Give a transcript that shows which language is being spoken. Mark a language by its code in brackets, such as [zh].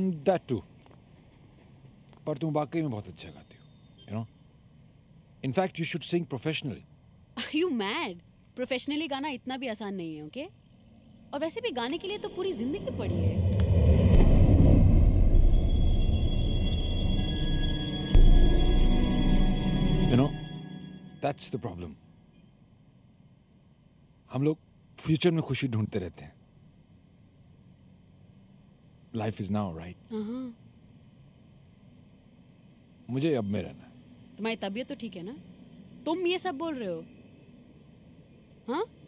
[en] that too, [hi] पर तुम वाकई में बहुत अच्छा गाती हो, [en] You know. In fact you should sing professionally. Are you mad? [hi] Professionally गाना इतना भी आसान नहीं है, [en] okay? [hi] और वैसे भी गाने के लिए तो पूरी जिंदगी पड़ी है. [en] You know, that's the problem. [hi] हम लोग फ्यूचर में खुशी ढूंढते रहते हैं. [en] Life is now, right? [hi] मुझे अब में रहना. तुम्हारी तबीयत तो ठीक है ना? तुम ये सब बोल रहे हो.